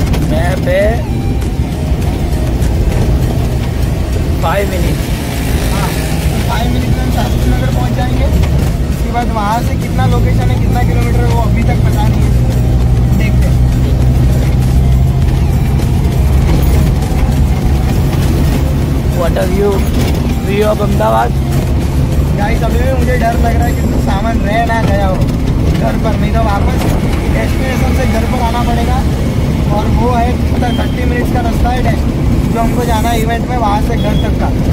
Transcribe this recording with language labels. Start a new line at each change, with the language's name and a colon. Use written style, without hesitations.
Hindi: Map है 5 minute. हाँ, 5 minute में हम शास्त्री नगर पहुंच जाएंगे, उसके बाद वहां से कितना लोकेशन है, कितना किलोमीटर है वो अभी तक पता नहीं है, देखते हैं।
English: What a view, view of Ahmedabad.
Hindi: Guys अभी भी मुझे डर लग रहा है कि तो सामान रह ना गया हो घर पर, नहीं तो वापस डेस्टिनेशन से घर पर आना पड़ेगा, और वो है 30 मिनट का रास्ता है जो हमको जाना है इवेंट में वहाँ से घर तक का।